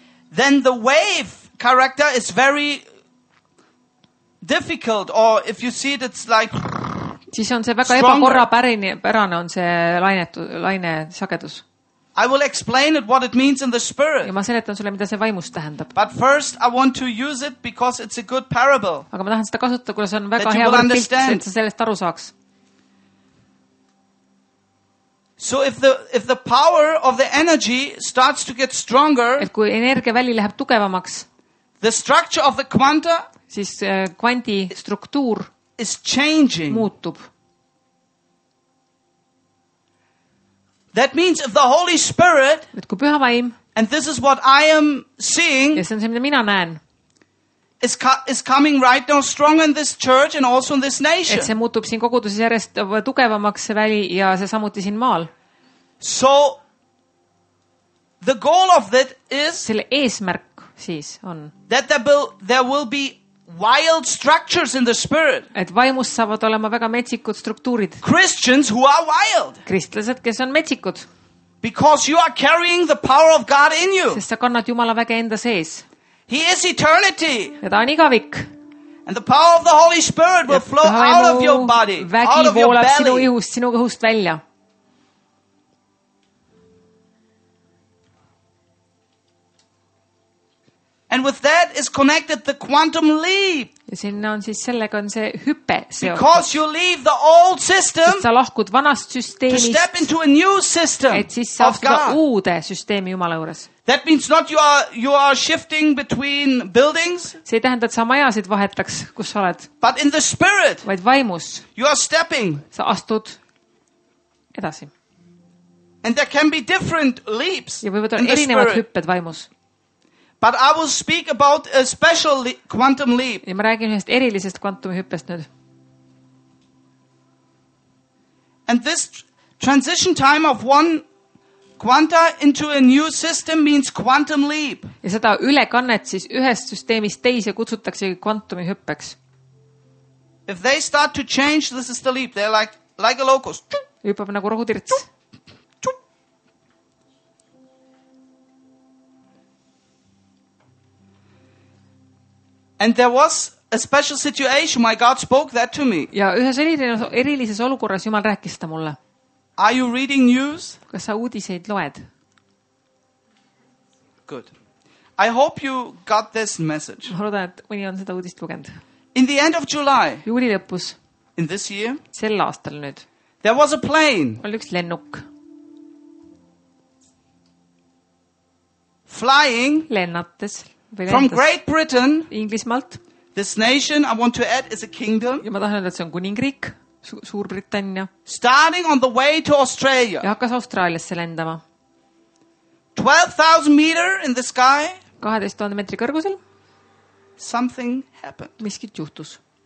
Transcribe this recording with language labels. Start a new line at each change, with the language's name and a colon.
English: Then the wave character is very difficult, or if you see it, it's like
Estonian: siis on see väga ebakorra pärane on see laine sagedus.
English: I will explain it what it means in the spirit.
Estonian: Ja ma seletan sulle, mida see vaimus tähendab.
English: But first I want to use it because it's a good parable.
Estonian: Aga ma tahan seda kasutada, kuna see on väga hea võrdpilt, et sa sellest aru saaks.
English: So if the power of the energy starts to get stronger,
Estonian: et kui energia väli läheb tugevamaks,
English: the structure of the quanta
Estonian: siis kvanti struktuur
English: is changing.
Estonian: Muutub.
English: That means if the Holy Spirit
Estonian: et kui püha vaim,
English: and this is what I am seeing
Estonian: ja see on see, mida mina näen,
English: is coming right now stronger in this church and also in this nation.
Estonian: Et see muutub siin koguduses järjest tugevamaks väli ja see samuti siin maal.
English: So the goal of that is
Estonian: selle eesmärk siis on
English: that there will be wild structures in the spirit.
Estonian: Et vaimus saavad olema väga metsikud struktuurid.
English: Christians who are wild.
Estonian: Kristlased, kes on metsikud.
English: Because you are carrying the power of God in you.
Estonian: Sest sa kannad Jumala väge enda sees.
English: He is eternity.
Estonian: Ja ta on igavik.
English: And the power of the Holy Spirit will flow out of your body.
Estonian: Vägi voolab sinu ihust, sinu kõhust välja.
English: And with that is connected the quantum leap.
Estonian: Ja sinna on siis sellega on see hüppe seotud.
English: Because you leave the old system.
Estonian: Sa lahkud vanast süsteemist.
English: To step into a new system.
Estonian: Et siis sa astuda uude süsteemi Jumala juures.
English: That means not you are shifting between buildings.
Estonian: See ei tähenda, et sa majasid vahetaks, kus sa oled.
English: But in the spirit.
Estonian: Vaid vaimus.
English: You are stepping.
Estonian: Sa astud edasi.
English: And there can be different leaps.
Estonian: Ja võivad olla erinevad hüpped vaimus.
English: But I will speak about a special quantum leap.
Estonian: Ja ma räägin ühest erilisest kvantumi hüppest nüüd.
English: And this transition time of one quanta into a new system means quantum leap.
Estonian: Ja seda ülekannet siis ühest süsteemist teise kutsutakse kvantumi hüppeks.
English: If they start to change, this is the leap. They're like a locust.
Estonian: Hüppab nagu rohutirts.
English: And there was a special situation. My God spoke that to me.
Estonian: Ja ühes erilises olukorras Jumal rääkis seda mulle.
English: Are you reading news?
Estonian: Kas sa uudiseid loed?
English: Good. I hope you got this message.
Estonian: Ma loodan, et mõni on seda uudist lugenud.
English: In the end of July.
Estonian: Juuli lõpus.
English: In this year.
Estonian: Sel aastal nüüd.
English: There was a plane.
Estonian: Oli üks lennuk.
English: Flying.
Estonian: Lennates.
English: From Great Britain,
Estonian: Inglismalt,
English: This nation I want to add is a kingdom.
Estonian: Ja ma tahan öelda, et see on kuningriik, Suurbritannia.
English: Starting on the way to Australia.
Estonian: Ja hakkas Austraaliasse lendama.
English: 12,000 meter in the sky.
Estonian: 12,000 meetri kõrgusel.
English: Something happened.
Estonian: Miskit juhtus.